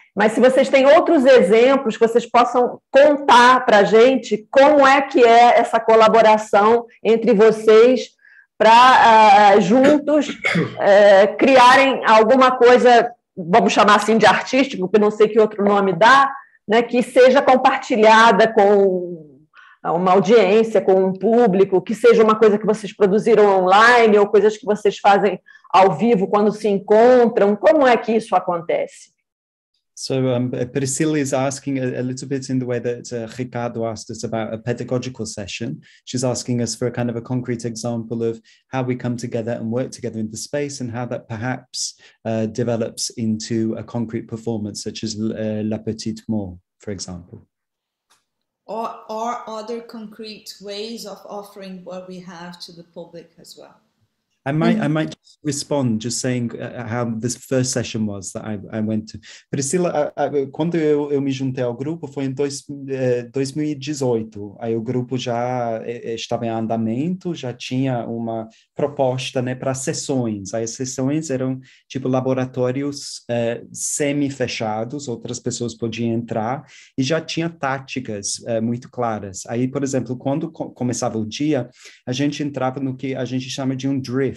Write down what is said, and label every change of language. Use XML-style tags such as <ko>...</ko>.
<pt>Mas se vocês têm outros exemplos que vocês possam contar para a gente como é que é essa colaboração entre vocês para juntos criarem alguma coisa, vamos chamar assim de artístico, porque não sei que outro nome dá, né, que seja compartilhada com uma audiência, com um público, que seja uma coisa que vocês produziram online ou coisas que vocês fazem ao vivo quando se encontram. Como é que isso acontece?</pt> <en>So Priscilla is asking a little bit in the way that Ricardo asked us about a pedagogical session. She's asking us for a kind of a concrete example of how we come together and work together in the space and how that perhaps develops into a concrete performance such as La Petite Mort, for example. Or other concrete ways of offering what we have to the public as well. I might respond just saying how this first session was that I went to.</en> <pt>Priscila, quando eu me juntei ao grupo foi em 2018. Aí o grupo já estava em andamento, já tinha uma proposta, né, para sessões. Aí as sessões eram tipo laboratórios semi-fechados, outras pessoas podiam entrar e já tinha táticas muito claras. Aí, por exemplo, quando começava o dia, a gente entrava no que a gente chama de um drift.</pt>